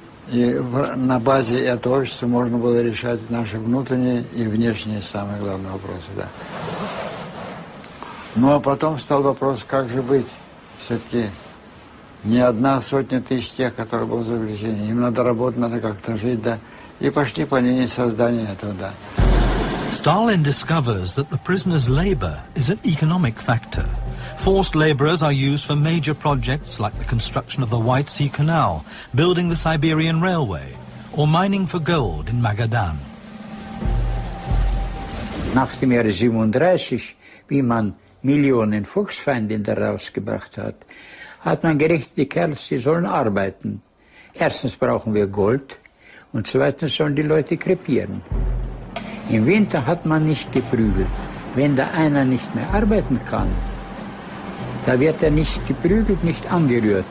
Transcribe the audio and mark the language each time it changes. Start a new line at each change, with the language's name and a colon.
Russian: И на базе этого общества можно было решать наши внутренние и внешние самые главные вопросы. Да. Ну а потом встал вопрос, как же быть. Все-таки не одна сотня тысяч тех, которые были завлечены. Им надо работать, надо как-то жить, да. И пошли по линии создания этого, да.
English: Stalin discovers that the prisoners' labor is an economic factor. Forced laborers are used for major projects like the construction of the White Sea Canal, building the Siberian Railway, or mining for gold in Magadan.
German: Nach dem Jahr 37, wie man Millionen Volksfeinde herausgebracht hat, hat man gerichtet, die Kerls, die sollen arbeiten. Erstens brauchen wir Gold, und zweitens sollen die Leute krepieren. Im Winter hat man nicht geprügelt. Wenn da einer nicht mehr arbeiten kann, da wird er nicht geprügelt, nicht angerührt.